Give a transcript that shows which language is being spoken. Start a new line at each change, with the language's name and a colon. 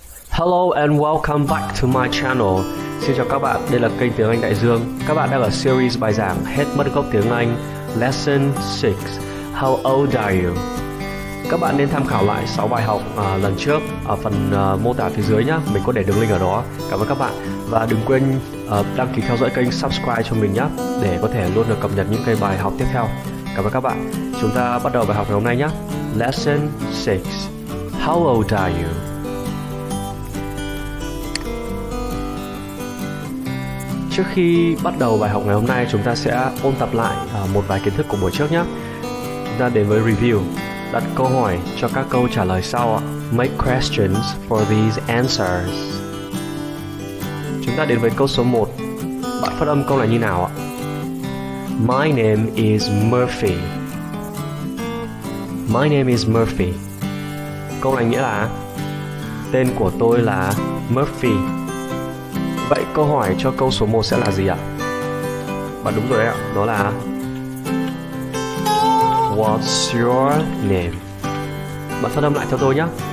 English: Hello and welcome back to my channel.
Vietnamese: Xin chào các bạn, đây là kênh Tiếng Anh Đại Dương. Các bạn đang ở series bài giảng Hết mất gốc tiếng Anh Lesson 6,
English: How old are you?
Vietnamese: Các bạn nên tham khảo lại 6 bài học lần trước ở phần mô tả phía dưới nhé. Mình có để đường link ở đó. Cảm ơn các bạn. Và đừng quên đăng ký theo dõi kênh, subscribe cho mình nhé, để có thể luôn được cập nhật những cái bài học tiếp theo. Cảm ơn các bạn. Chúng ta bắt đầu bài học ngày hôm nay nhé. Lesson 6,
English: How old are you?
Vietnamese: Trước khi bắt đầu bài học ngày hôm nay, chúng ta sẽ ôn tập lại một vài kiến thức của buổi trước nhé. Chúng ta đến với review, đặt câu hỏi cho các câu trả lời sau.
English: Make questions for these answers.
Vietnamese: Chúng ta đến với câu số 1. Bạn phát âm câu là như nào ạ?
English: My name is Murphy. My name is Murphy.
Vietnamese: Câu này nghĩa là tên của tôi là Murphy. Vậy câu hỏi cho câu số 1 sẽ là gì ạ? Bạn đúng rồi đấy ạ, đó là
English: What's your name?
Vietnamese: Bạn phát âm lại theo tôi nhé.